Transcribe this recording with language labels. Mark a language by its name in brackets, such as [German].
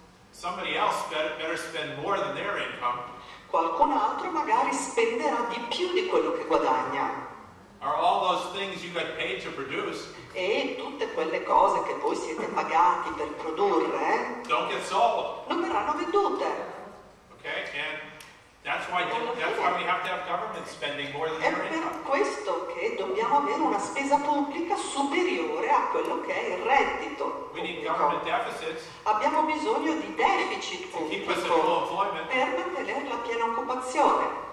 [English] somebody else better spend more than their income. [Italian] Qualcun altro magari spenderà di più di quello che guadagna. [English] Are all those things you got paid to produce? [Italian] E tutte quelle cose che voi siete pagati per produrre? [English] Don't get sold. [Italian] Non verranno vendute. [English] Okay, and that's why we have to have government spending more than their income. [Italian] È per questo che dobbiamo avere una spesa pubblica superiore a quello che è il reddito. [English] We need government deficits. [Italian] Abbiamo bisogno di deficit pubblico per mantenere la piena occupazione.